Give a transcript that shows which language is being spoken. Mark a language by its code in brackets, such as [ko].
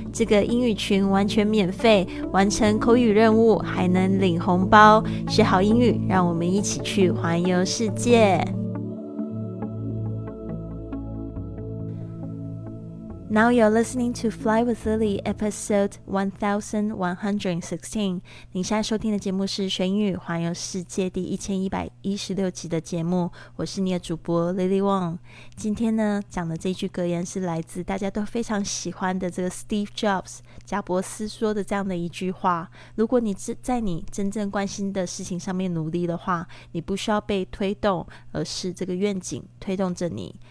[zh] 这个英语群完全免费，完成口语任务还能领红包，学好英语，让我们一起去环游世界。 [en] Now you're listening to Fly with Lily, episode 1116. [zh] 您现在收听的节目是《学英语环游世界》第1116集的节目，我是你的主播 Lily Wong。今天呢，讲的这句格言是来自大家都非常喜欢的这个 Steve Jobs 贾伯斯说的这样的一句话：如果你在你真正关心的事情上面努力的话，你不需要被推动，而是这个愿景推动着你。